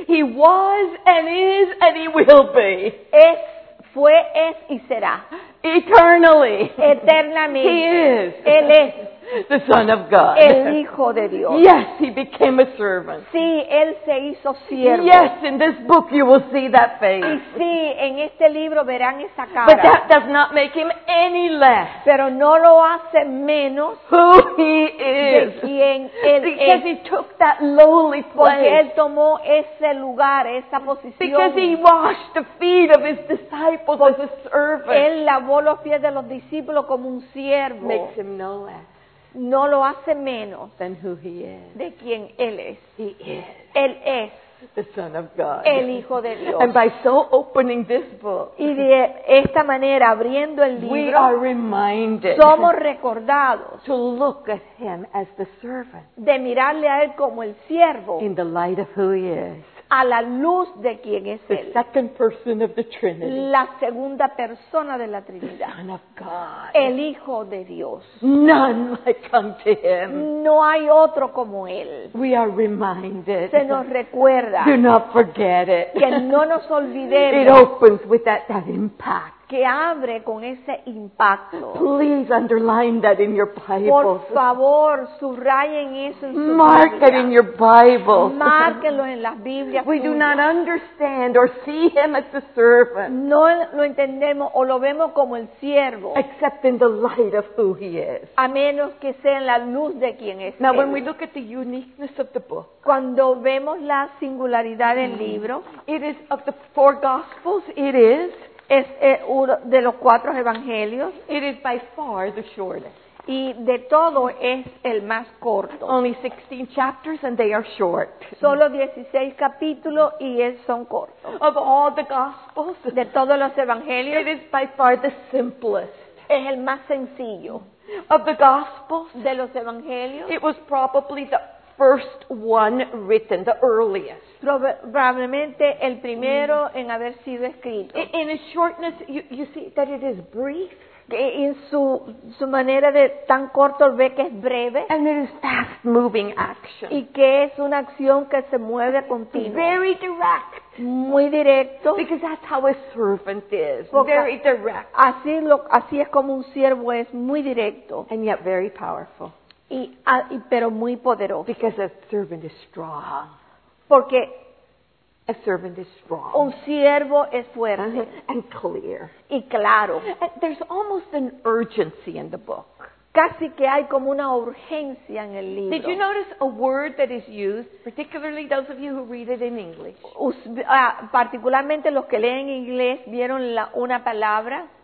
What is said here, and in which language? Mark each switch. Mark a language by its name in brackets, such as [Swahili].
[English] he was and is and he will be. [Spanish] Es, fue, es y será. [English] Eternally, [Spanish] eternamente. [English] He is. [Spanish] Él es. [English] The Son of God. [Spanish] El Hijo de Dios. [English] Yes, he became a servant. [Spanish] Sí, él se hizo siervo. [English] Yes, in this book you will see that face. [Spanish] Y sí, en este libro verán esa cara. [English] But that does not make him any less. [Spanish] Pero no lo hace menos. [English] Who he is. [Spanish] De quien él [English] Because [Spanish] es. [English] He took that lowly place. [Spanish] Porque él tomó ese lugar, esa posición. [English] Because he washed the feet of his disciples as a servant. [Spanish] Él lavó los pies de los discípulos como un siervo. [English] Makes him no less. [Spanish] No lo hace menos [English] than who he is. [Spanish] De quien él es. [English] He is. [Spanish] Él es. [English] The Son of God. [Spanish] El Hijo de Dios. [English] And by so opening this book, [Spanish] y de esta manera abriendo el libro, [English] we are reminded, [Spanish] somos recordados, [English] to look at him as the servant, [Spanish] de mirarle a él como el siervo, [English] in the light of who he is. [Spanish] A la luz de quién es [English] the [Spanish] él. [English] Second person of the Trinity. [Spanish] La segunda persona de la Trinidad. [English] The Son of God. [Spanish] El Hijo de Dios. [English] None like unto him. [Spanish] No hay otro como él. [English] We are reminded. [Spanish] Se nos recuerda. [English] Do not forget it. [Spanish] Que no nos olvidemos. [English] It opens with that impact. [Spanish] Que abre con ese impacto. [English] Please underline that in your Bible. [Spanish] Por favor, subrayen eso en su [English] Mark [Spanish] Biblia. [English] It in your Bible. [Spanish] Márquenlo en las Biblias. [English] We [Spanish] suyas. [English] Do not understand or see him as a servant. [Spanish] No lo entendemos o lo vemos como el siervo. [English] Except in the light of who he is. [Spanish] A menos que sea en la luz de quien es. [English] Now [Spanish] él. [English] When we look at the uniqueness of the book. [Spanish] Cuando vemos la singularidad del libro. [English] It is of the four gospels. It is. [Spanish] Es uno de los cuatro evangelios. [English] It is by far the shortest. [Spanish] Y de todo es el más corto. [English] Only 16 chapters and they are short. [Spanish] Solo 16 capítulos y son cortos. [English] Of all the gospels, [Spanish] de todos los evangelios, [English] it is by far the simplest. [Spanish] Es el más sencillo. [English] Of the gospels, [Spanish] de los evangelios, [English] it was probably the first one written, the earliest. [Spanish] Probablemente el primero en haber sido escrito. [English] In its shortness, you see that it is brief. [Spanish] En su manera de tan corto, ve que es breve. [English] And it is fast moving action. [Spanish] Y que es una acción que se mueve continuo. [English] Very direct. [Spanish] Muy directo. [English] Because that's how a servant is. [Spanish] Porque [English] very direct. [Spanish] Así es como un siervo es, muy directo. [English] And yet very powerful. [Spanish] Pero muy poderoso. [English] Because a servant is strong. [Spanish] Porque [English] a servant is strong. [Spanish] Un siervo es fuerte. [English] And clear. [Spanish] Y claro. [English] And there's almost an urgency in the book. [Spanish] Casi que hay como una urgencia en el libro. [English] Did you notice a word that is used, particularly those of you who read it in English? [Spanish] Particularmente los que leen inglés vieron una palabra.